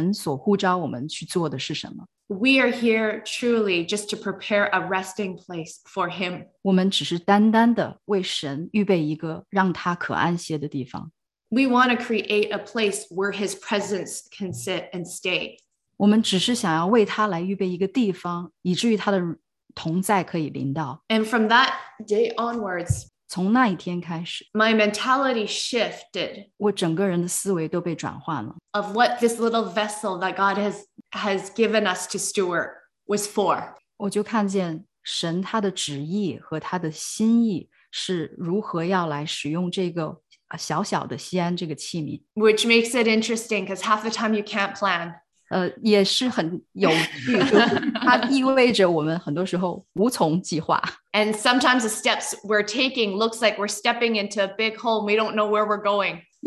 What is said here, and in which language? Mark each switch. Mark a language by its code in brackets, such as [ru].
[zh] 不要尝试去迎合人的一个需要和要求，而是要看到神所呼召我们去做的是什么。 [en] We are here truly just to prepare a resting place for him. [zh] 我们只是单单的为神预备一个让他可安歇的地方。 [en] We want to create a place where his presence can sit and stay. [zh] 我们只是想要为他来预备一个地方，以至于他的 [en] And from that day onwards, [zh] 从那一天开始, [en] my mentality shifted. [zh] 我整个人的思维都被转换了, [en] of what this little vessel that God has given us to steward was for. [zh] 我就看见神他的旨意和他的心意是如何要来使用这个小小的西安这个器皿。 [en] Which makes it interesting because half the time you can't plan. [zh] 也是很有趣，它意味着我们很多时候无从计划。 [en] And sometimes the steps we're taking looks like we're stepping into a big hole and we don't know where we're going.